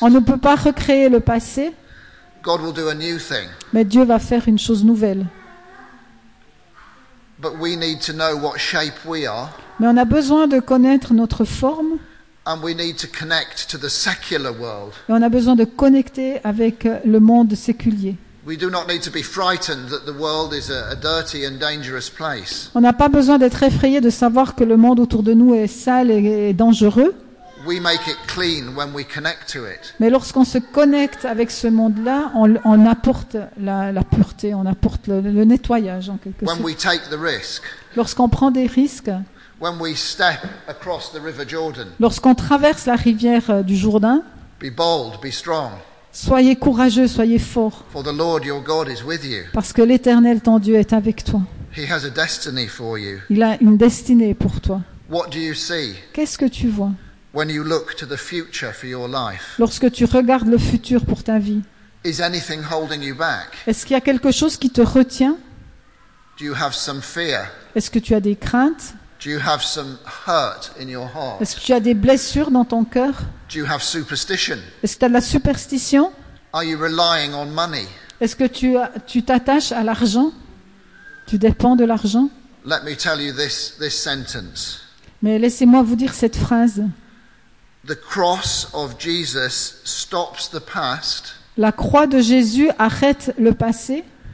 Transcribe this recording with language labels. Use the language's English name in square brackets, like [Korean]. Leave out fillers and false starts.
[French] On ne peut pas recréer le passé. [English] God will do a new thing. [French] Mais Dieu va faire une chose nouvelle. [English] But we need to know what shape we are. [French] Mais on a besoin de connaître notre forme. [English] And we need to connect to the secular world. [French] Et on a besoin de connecter avec le monde séculier. [English] We do not need to be frightened that the world is a dirty and dangerous place. [French] On n'a pas besoin d'être effrayé de savoir que le monde autour de nous est sale et dangereux. [English] We make it clean when we connect to it. [French] Mais lorsqu'on se connecte avec ce monde-là, on apporte la pureté, on apporte le nettoyage en quelque sorte. [English] When we take the risk. [French] Lorsqu'on prend des risques. [English] When we step across the River Jordan. [French] Lorsqu'on traverse la rivière du Jourdain. [English] Be bold, be strong. [French] Soyez courageux, soyez fort. [English] For the Lord, your God, is with you. [French] Parce que l'Éternel, ton Dieu, est avec toi. [English] He has a destiny for you. [French] Il a une destinée pour toi. [English] What do you see? [French] Qu'est-ce que tu vois? [English] When you look to the future for your life. [French] Lorsque tu regardes le futur pour ta vie. [English] Is anything holding you back? [French] Est-ce qu'il y a quelque chose qui te retient? [English] Do you have some fear? [French] Est-ce que tu as des craintes? [English] Do you have some hurt in your heart? [French] Est-ce que tu as des blessures dans ton cœur? [English] Do you have superstition? [French] Est-ce que tu as de la superstition? [English] Are you relying on money? [French] Est-ce que tu t'attaches à l'argent? Tu dépends de l'argent? [English] Let me tell you this sentence. [French] Mais laissez-moi vous dire cette phrase. [English] The cross of Jesus stops the past. [French] La croix de Jésus arrête le passé.